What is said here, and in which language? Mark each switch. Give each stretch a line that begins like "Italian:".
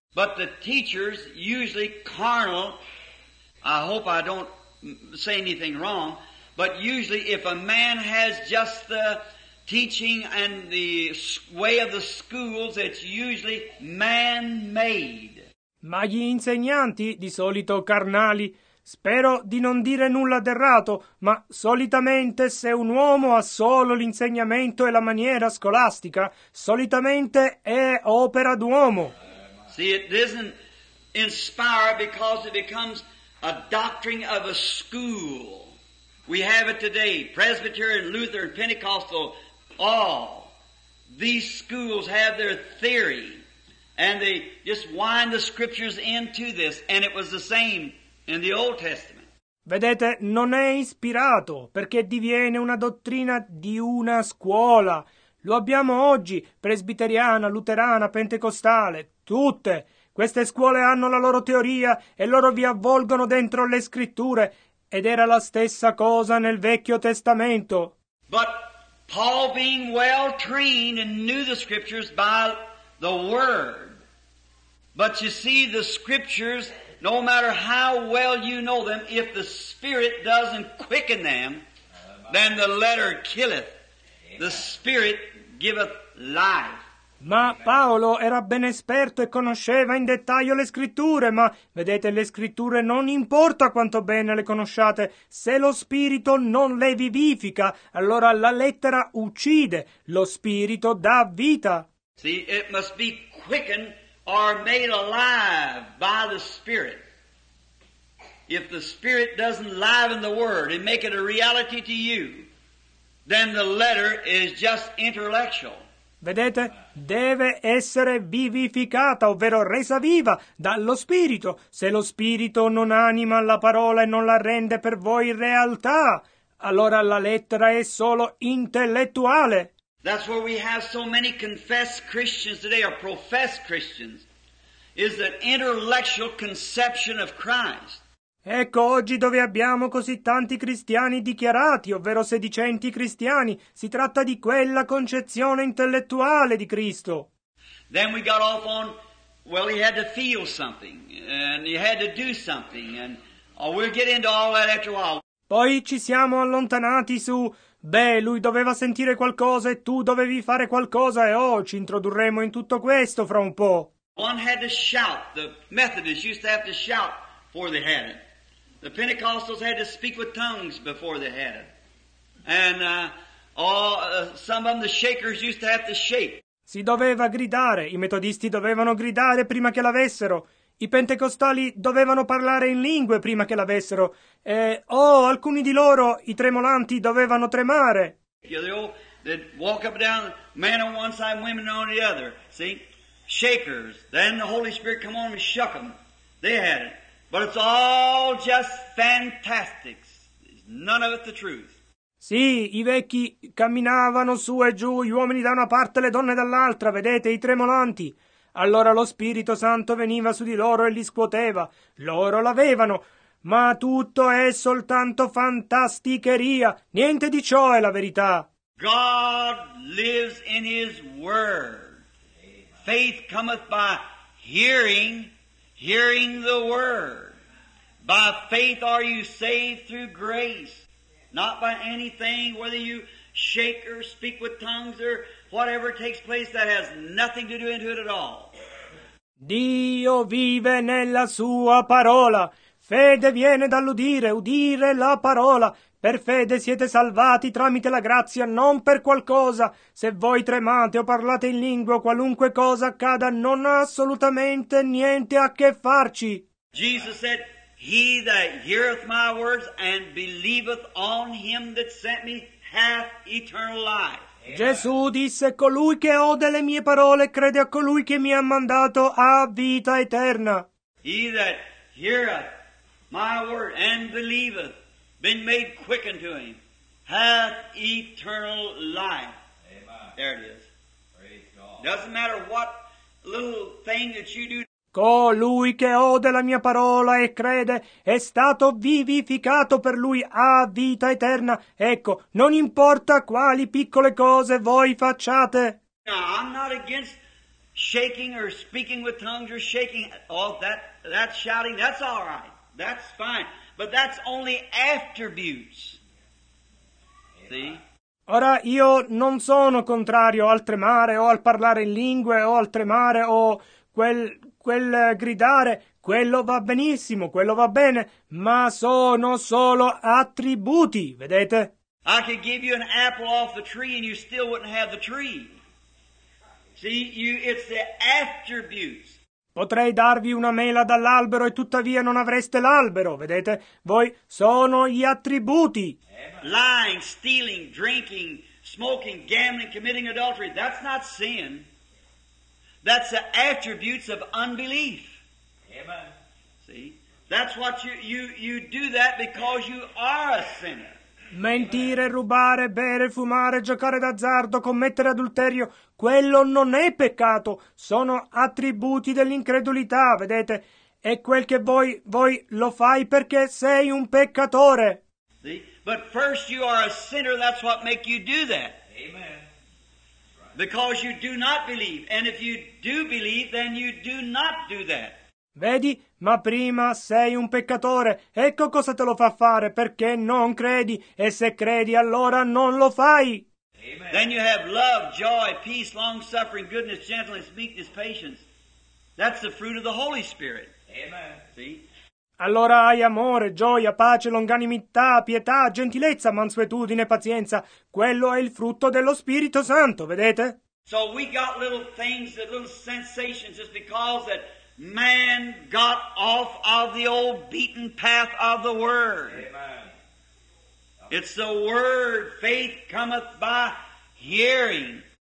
English: But the teachers, usually carnal, I hope I don't say anything wrong, but usually if a man has just the teaching and the way of the schools, it's usually man-made.
Italian: Ma gli insegnanti, di solito carnali, spero di non dire nulla d'errato, ma solitamente se un uomo ha solo l'insegnamento e la maniera scolastica, solitamente è opera d'uomo.
English: See, it doesn't inspire because it becomes a doctrine of a school. We have it today, Presbyterian, Lutheran, Pentecostal, all. These schools have their theory, and they just wind the scriptures into this, and it was the same in the Old Testament.
Italian: Vedete, non è ispirato, perché diviene una dottrina di una scuola. Lo abbiamo oggi, presbiteriana, luterana, pentecostale, tutte. Queste scuole hanno la loro teoria e loro vi avvolgono dentro le scritture, ed era la stessa cosa nel Vecchio Testamento.
English: But Paul, being well trained and knew the scriptures by the word, but you see, the scriptures, no matter how well you know them, if the Spirit doesn't quicken them, then the letter killeth. The Spirit giveth life.
Italian: Ma Paolo era ben esperto e conosceva in dettaglio le scritture, ma vedete, le scritture non importa quanto bene le conosciate, se lo spirito non le vivifica, allora la lettera uccide, lo spirito dà vita.
English: See, it must be quickened or made alive by the Spirit. If the Spirit doesn't liven the word and make it a reality to you, then the letter is just intellectual.
Italian: Vedete? Deve essere vivificata, ovvero resa viva, dallo Spirito. Se lo Spirito non anima la parola e non la rende per voi realtà, allora la lettera è solo intellettuale.
English: That's where we have so many confessed Christians today, or professed Christians, is the intellectual conception of Christ.
Italian: Ecco oggi dove abbiamo così tanti cristiani dichiarati, ovvero sedicenti cristiani. Si tratta di quella concezione intellettuale di Cristo.
English: Then we got off on, well, he had to feel something, and he had to do something, and we'll get into all that after a while.
Italian: Poi ci siamo allontanati su, beh, lui doveva sentire qualcosa e tu dovevi fare qualcosa e oh, ci introdurremo in tutto questo fra un po'.
English: One had to shout, the Methodists used to have to shout before they had it. The Pentecostals had to speak with tongues before they had it. And some of them, the Shakers, used to have to shake.
Italian: Si doveva gridare, i metodisti dovevano gridare prima che l'avessero. I pentecostali dovevano parlare in lingue prima che l'avessero. E, oh, alcuni di loro, i tremolanti, dovevano tremare.
English: They'd walk up down, men on one side, women on the other. See? Shakers. Then the Holy Spirit come on and shook them. They had it. But it's all just fantastics. None of it the truth.
Italian: Sì, i vecchi camminavano su e giù, gli uomini da una parte, le donne dall'altra, vedete, i tremolanti. Allora lo Spirito Santo veniva su di loro e li scuoteva. Loro l'avevano, ma tutto è soltanto fantasticheria. Niente di ciò è la verità.
English: God lives in His Word. Faith cometh by hearing, hearing the Word. By faith are you saved through grace. Not by anything, whether you shake or speak with tongues or whatever takes place, that has nothing to do into it at all.
Italian: Dio vive nella sua parola. Fede viene dall'udire, udire la parola. Per fede siete salvati tramite la grazia, non per qualcosa. Se voi tremate o parlate in lingua, qualunque cosa accada, non ha assolutamente niente a che farci.
English: Jesus said, he that heareth my words and believeth on him that sent me hath eternal life.
Italian: Gesù disse, colui che ode le mie parole e crede a colui che mi ha mandato ha vita eterna.
English: He that heareth my word and believeth, been made quick unto him, hath eternal life. Amen. There it is. Praise God. Doesn't matter what little thing that you do.
Italian: Colui che ode la mia parola e crede è stato vivificato, per lui ha vita eterna. Ecco, non importa quali piccole cose voi facciate.
English: No, I'm not against shaking or speaking with tongues or shaking. Oh, that shouting, that's all right. That's fine. But that's only attributes. See?
Italian: Ora, io non sono contrario al tremare o al parlare in lingue o al tremare o quel gridare. Quello va benissimo, quello va bene, ma sono solo attributi, vedete?
English: I could give you an apple off the tree and you still wouldn't have the tree. See, it's the attributes.
Italian: Potrei darvi una mela dall'albero e tuttavia non avreste l'albero, vedete? Voi sono gli attributi.
English: Lying, stealing, drinking, smoking, gambling, committing adultery, that's not sin. That's the attributes of unbelief. See? That's what you do that because you are a sinner.
Italian: Mentire, rubare, bere, fumare, giocare d'azzardo, commettere adulterio, quello non è peccato, sono attributi dell'incredulità, vedete? E quel che voi lo fai perché sei un peccatore.
English: See? But first you are a sinner, that's what make you do that. Amen. Because you do not believe, and if you do believe, then you do not do that.
Italian: Vedi, ma prima sei un peccatore, ecco cosa te lo fa fare, perché non credi, e se credi allora non lo fai.
English: Amen. Then you have love, joy, peace, long-suffering, goodness, gentleness, meekness, patience. That's the fruit of the Holy Spirit. Amen. See?
Italian: Allora hai amore, gioia, pace, longanimità, pietà, gentilezza, mansuetudine, pazienza. Quello è il frutto dello Spirito Santo, vedete?
English: So we got little things, little sensations just because that man got off of the old beaten path of the Word. Amen. It's the Word, faith cometh by hearing.